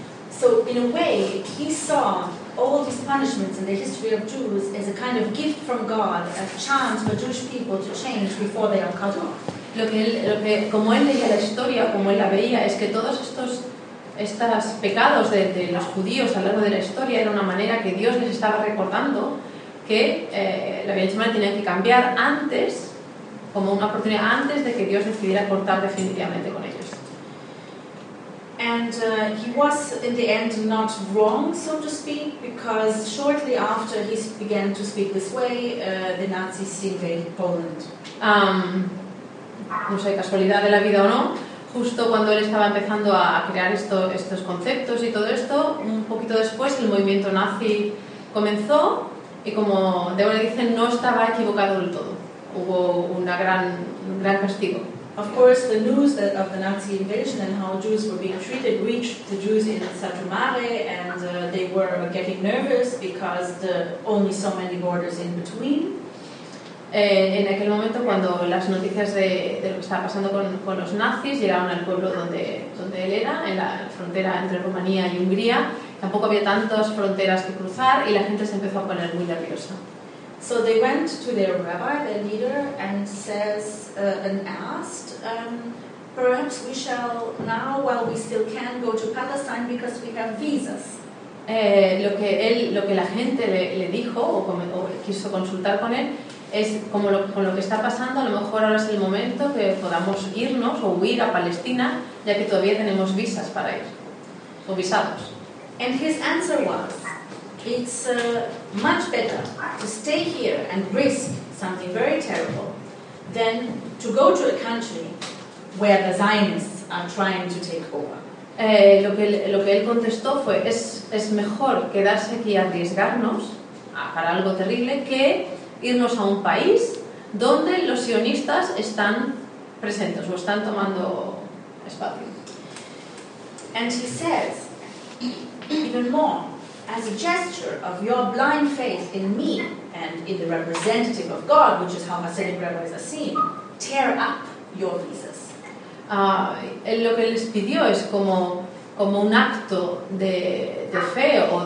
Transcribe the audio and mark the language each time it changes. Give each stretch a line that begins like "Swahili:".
English: So in a way, he saw all these punishments in the history of Jews as a kind of gift from God, a chance for Jewish people to change before they are cut off.
Spanish: Lo que como él leía la historia, como él la veía, es que todos estos pecados de los judíos a lo largo de la historia era una manera que Dios les estaba recordando que la vida tenía que cambiar antes, como una oportunidad antes de que Dios decidiera cortar definitivamente con ellos.
English: And he was in the end not wrong, so to speak, because shortly after he began to speak this way, the Nazis invaded Poland.
Spanish: No sé, casualidad de la vida o no, justo cuando él estaba empezando a crear estos conceptos y todo esto, un poquito después el movimiento nazi comenzó y, como Deborah dice, no estaba equivocado del todo. Hubo un gran castigo.
English: Of course, the news that of the Nazi invasion and how Jews were being treated reached the Jews in Satumare, and they were getting nervous because there only so many borders in between.
Spanish: En aquel momento, cuando las noticias de lo que estaba pasando con los nazis llegaron al pueblo donde él era, en la frontera entre Rumanía y Hungría, tampoco había tantas fronteras que cruzar y la gente se empezó a poner muy nerviosa.
English: So they went to their rabbi, their leader, and says and asked, perhaps we shall now, while we still can, go to Palestine because we have visas.
Spanish: Lo que la gente le dijo o quiso consultar con él es como con lo que está pasando, a lo mejor ahora es el momento que podamos irnos o huir a Palestina, ya que todavía tenemos visas para ir o visados.
English: And his answer was, it's much better to stay here and risk something very terrible than to go to a country where the Zionists are trying to take over.
Spanish: Lo que él contestó fue, es mejor quedarse aquí y arriesgarnos para algo terrible que irnos a un país donde los sionistas están presentes o están tomando espacio.
English: And he says, even more, as a gesture of your blind faith in me and in the representative of God, which is how Hasidic rabbis are seen, tear up your visas.
Spanish: Lo que les pidió es como un acto de fe